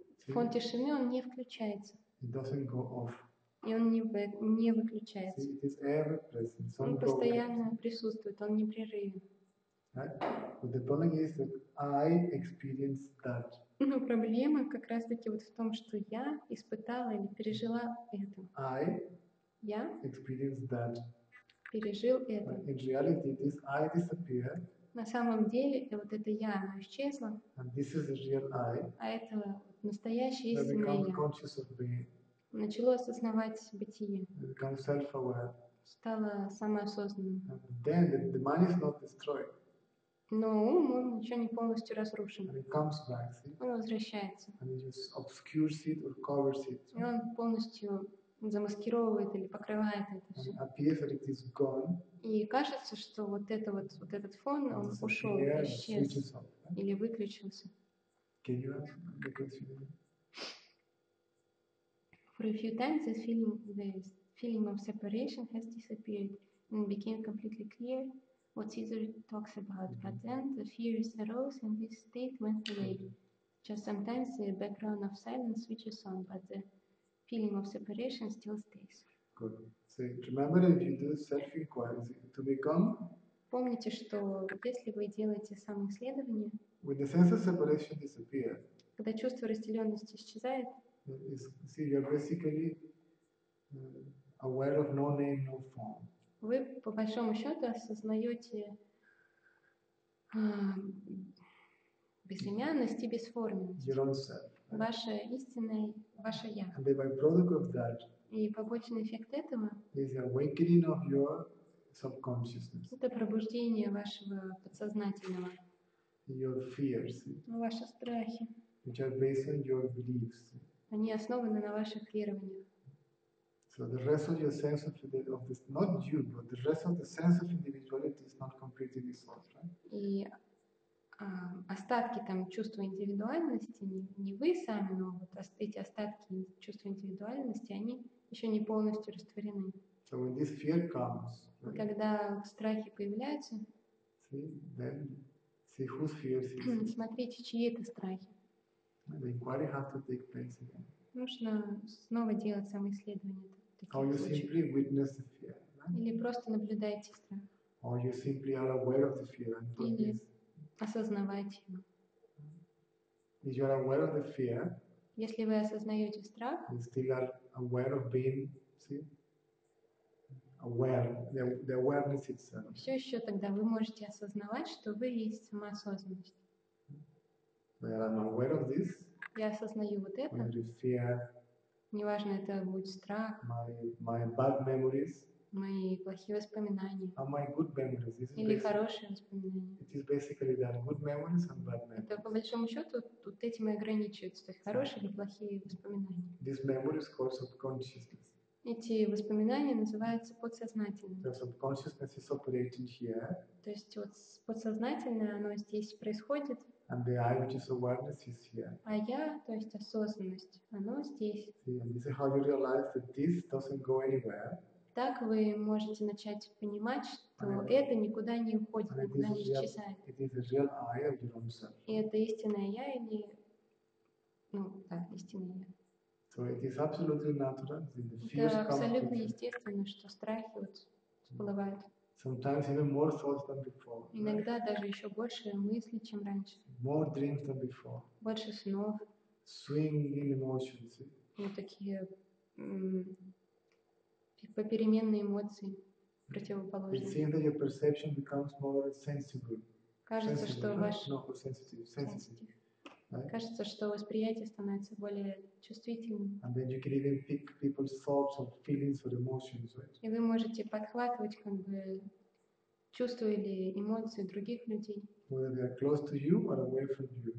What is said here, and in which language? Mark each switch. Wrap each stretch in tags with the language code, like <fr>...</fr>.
<ru>Фон тишины он не включается.</ru> <en>It doesn't go off.</en> <ru>И он не выключается.</ru> <en>It is ever present.</en> <ru>Он постоянно присутствует, он непрерывен.</ru> <en>But the problem is that I experienced that.</en> <ru>Но проблема как раз-таки вот в том, что я испытала или пережила это.</ru> <en>I</en> <ru>я</ru> <en>experienced that.</en> <ru>Пережил это.</ru> <en>In reality, this I disappeared.</en> <ru>На самом деле, вот это я, оно исчезло.</ru> <en>And this is the real I.</en> <ru>А это настоящее истинное я.</ru> <en>Conscious of being.</en> <ru>Начало осознавать бытие.</ru> <en>Become self-aware.</en> <ru>Стало самоосознанным.</ru> <en>And then the mind is not destroyed.</en> <ru>Но ум, он еще не полностью разрушен.</ru> <en>Back,</en> <ru>он возвращается.</ru> <en>And it just obscures it or covers it.</en> <ru>И он полностью замаскировывает или покрывает это все.</ru> <en>And appears that it is gone.</en> <ru>И кажется, что вот этот фон, он ушел, исчез</ru> <en>off, right?</en> <ru>Или выключился.</ru> <en>Can you have a good feeling? For a few times, the feeling of separation has disappeared and became completely clear. What Caesar talks about, mm-hmm. But then the fears arose and this state went away. Mm-hmm. Just sometimes the background of silence switches on, but the feeling of separation still stays. Good. So remember that if you do self-inquiry to become.</en> <ru>Помните, что если вы делаете самоисследование.</ru> <en>When the sense of separation disappears.</en> <ru>Когда чувство разделенности исчезает.</ru> <en>See, you're basically aware of no name, no form.</en> <ru>Вы, по большому счету, осознаете безымянность и бесформенность. Ваше истинное, ваше Я.</ru> <en>And the byproduct of that,</en> <ru>и побочный эффект этого</ru> <en>is the awakening of your subconsciousness.</en> <ru>Это пробуждение вашего подсознательного.</ru> <en>Your fears,</en> <ru>ваши страхи.</ru> <en>Which are based on your beliefs.</en> <ru>Они основаны на ваших верованиях.</ru> <en>So the rest of your sense of this, not you, but the rest of the sense of individuality is not completely dissolved, right?</en> <ru>И остатки там чувства индивидуальности не вы сами, но вот эти остатки чувства индивидуальности они еще не полностью растворены.</ru> <en>So when this fear comes, right?</en> <ru>Когда страхи появляются,</ru> <en>see whose fear is it?</en> <ru>Смотрите, чьи это страхи.</ru> <en>The inquiry has to take place again.</en> <ru>Нужно снова делать самоисследование.</ru> <en>Or you simply witness the fear. Right?</en> <ru>Или просто наблюдаете страх.</ru> <en>Or you simply are aware of the fear. And</en> <ru>или осознавайте его.</ru> <en>If you are aware of the fear,</en> <ru>если вы осознаете страх,</ru> <en>you still are aware of being, see? Aware, the awareness itself.</en> <ru>Все еще тогда вы можете осознавать, что вы есть самоосознанность.</ru> <en>Well, I'm aware of this.</en> <ru>Я осознаю вот это.</ru> <en>When the fear.</en> <ru>Неважно, это будет страх,</ru> <en>my bad memories,</en> <ru>мои плохие воспоминания,</ru> <en>my good memories.</en> <ru>Или хорошие воспоминания.</ru> <en>It is basically that, good memories and bad memories.</en> <ru>Это по большому счету тут этим и ограничиваются, то есть хорошие или плохие воспоминания.</ru> <en>These memories called subconsciousness.</en> <ru>Эти воспоминания называются подсознательными.</ru> <en>The subconsciousness is operating here.</en> <ru>То есть вот подсознательное, оно здесь происходит.</ru> <en>And the I, which is awareness, is here.</en> <ru>А я, то есть осознанность, оно здесь.</ru> <en>See, and this is how you realize that this doesn't go anywhere.</en> <ru>Так вы можете начать понимать, что это никуда не уходит, никуда не исчезает.</ru> <en>It is the real I of your own self.</en> <ru>И это истинное я или, ну да, истинное я.</ru> <en>So it is absolutely natural.</en> <ru>Это абсолютно естественно, что страхи вот всплывают.</ru> <en>Sometimes even more thoughts than before.</en> <ru>Иногда даже еще больше мыслей, чем раньше.</ru> <en>More dreams than before.</en> <ru>Больше снов.</ru> <en>Swinging emotions.</en> <ru>Вот такие попеременные эмоции, противоположные.</ru> <en>It seems that your perception becomes more sensible.</en> <ru>Кажется, что ваш</ru> <en>sensitive. Right?</en> <ru>Кажется, что восприятие становится более чувствительным.</ru> <en>And then you can even pick people's thoughts or feelings or emotions, right?</en> <ru>И вы можете подхватывать как бы чувства или эмоции других людей.</ru> <en>Whether they are close to you or away from you.</en>